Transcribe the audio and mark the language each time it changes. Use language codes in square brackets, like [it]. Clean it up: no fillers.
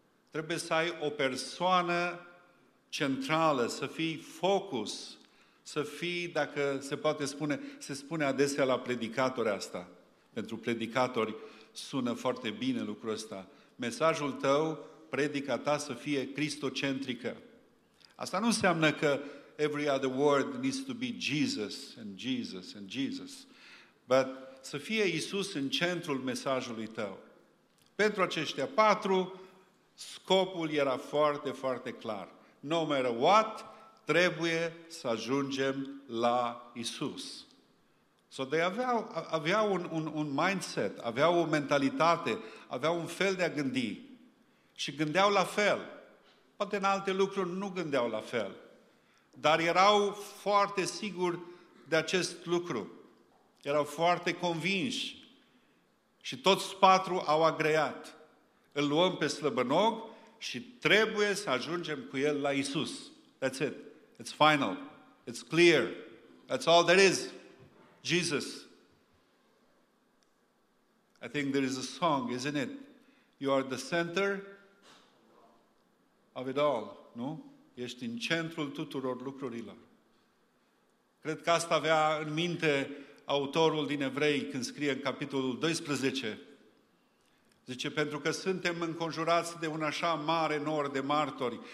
[ro] Trebuie să ai o persoană centrală, să fii focus, să fii, dacă se poate spune, se spune adesea la predicatori asta. Pentru predicatori sună foarte bine lucrul ăsta. Mesajul tău, predica ta să fie cristocentrică. Asta nu înseamnă că [en] every other word needs to be Jesus and Jesus and Jesus. [ro] But să fie Iisus în centrul mesajului tău. Pentru aceștia patru, scopul era foarte, foarte clar. [en] No matter what, [ro] trebuie să ajungem la Iisus. [en] So they [ro] aveau un mindset, aveau o mentalitate, aveau un fel de a gândi și gândeau la fel. Poate în alte lucruri nu gândeau la fel, dar erau foarte siguri de acest lucru. Erau foarte convinși și toți patru au agreat. Îl luăm pe slăbănog și trebuie să ajungem cu el la Iisus. [en] That's it. It's final. It's clear. That's all there is. Jesus. I think there is a song, isn't it? You are the center of it all. Nu? [ro] Ești în centrul tuturor lucrurilor. Cred că asta avea în minte autorul din Evrei când scrie în capitolul 12. Zice, pentru că suntem înconjurați de un așa mare nor de martori.